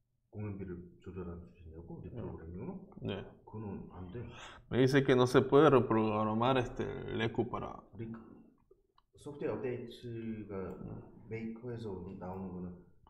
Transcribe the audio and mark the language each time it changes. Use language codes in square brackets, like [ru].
[ko] 공연비를 조절해 주시냐고? 리프로그램으로? 네. 그건 안 돼. [es] Me dice que no se puede reprogramar el eco para [ko] 소프트웨어 업데이트가 메이커에서 나오는 거는